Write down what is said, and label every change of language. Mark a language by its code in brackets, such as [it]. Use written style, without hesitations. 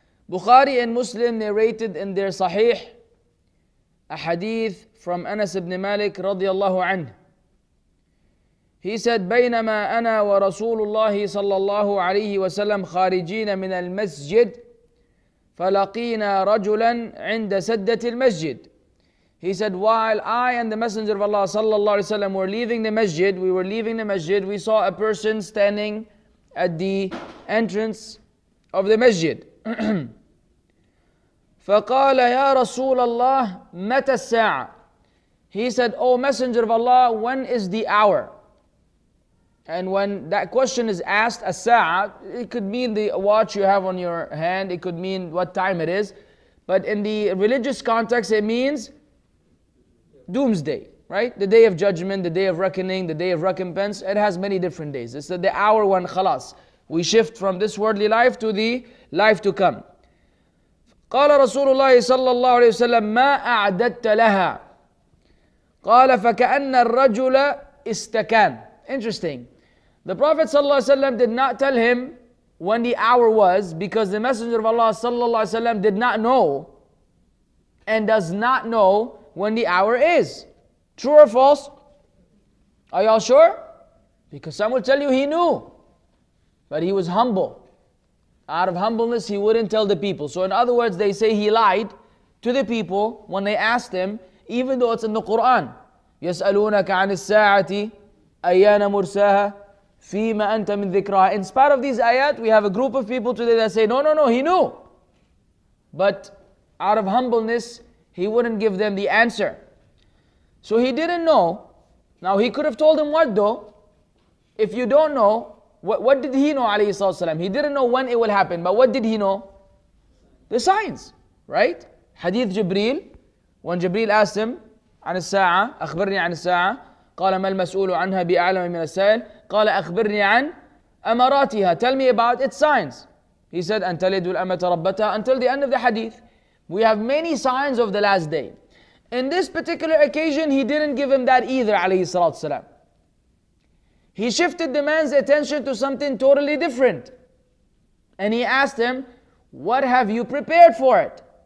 [en] Bukhari and Muslim narrated in their Sahih a hadith from Anas ibn Malik radiyallahu anhu. He said, [ar] بينما أنا ورسول الله صلى الله عليه وسلم خارجين من المسجد فلقينا رجلا عند سدة المسجد. [en] He said, while I and the Messenger of Allah صلى الله عليه وسلم were leaving the masjid, we saw a person standing at the entrance of the masjid. [ar] فقال يا رسول الله متى الساعة. [en] He said, O Messenger of Allah, when is the hour? And when that question is asked, as-sa'a, it could mean the watch you have on your hand, it could mean what time it is. But in the religious context, it means doomsday, right? The day of judgment, the day of reckoning, the day of recompense. It has many different days. It's the hour when, khalas, we shift from this worldly life to the life to come. [ar] قال رسول الله صلى الله عليه وسلم ما أعددت لها. قال فكأن الرجل استكان. [en] Interesting. The Prophet sallallahu alaihi wasallam did not tell him when the hour was because the Messenger of Allah sallallahu alaihi wasallam did not know and does not know when the hour is. True or false? Are y'all sure? Because some will tell you he knew, but he was humble. Out of humbleness, he wouldn't tell the people. So in other words, they say he lied to the people when they asked him, even though it's in the Quran. [ar] يَسْأَلُونَكَ عَنِ السَّاعَةِ أَيَّانَ مُرْسَاهَا فِيمَ أَنْتَ مِنْ ذِكْرَهَا. [en] In spite of these ayat, we have a group of people today that say, no, he knew. But out of humbleness, he wouldn't give them the answer. So he didn't know. Now he could have told him what though? If you don't know, what did he know, alayhi salatu wasalam? He didn't know when it will happen, but what did he know? The signs, right? Hadith Jibreel, when Jibreel asked him, [ar] عن الساعة أخبرني عن الساعة قال ما المسؤول عنها بأعلم من السائل قال أخبرني عن أمراتها. [en] Tell me about its signs. He said [ar] أن تلد الأمة ربتها. [en] Until the end of the hadith, we have many signs of the last day. In this particular occasion, he didn't give him that either, عليه الصلاة والسلام. He shifted the man's attention to something totally different, and he asked him, what have you prepared for it?